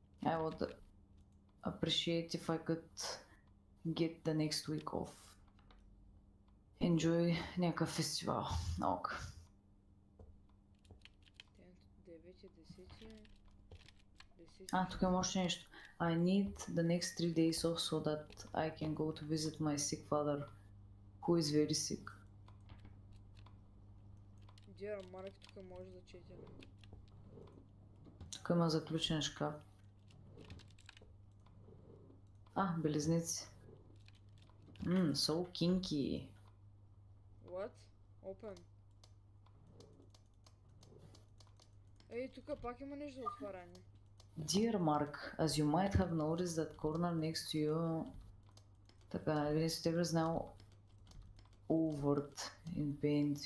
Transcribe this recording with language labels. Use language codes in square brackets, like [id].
[en] I would appreciate if I could get the next week off. Enjoy [bg] някакъв фестивал. Ок. 9.10. А, тук има още нещо. [en] I need the next 3 days off so that I can go to visit my sick father, who is very sick. [bg] Дяр, Марк, тук може да чете. Тук има заключен шкаф. А, белезници. [en] So kinky. What? Open. [bg] Ей, тук пак има нещо за отваряне. [en] Dear Mark, as you might have noticed that corner next to you... [bg] Така, [en] next to you is now overt in paint.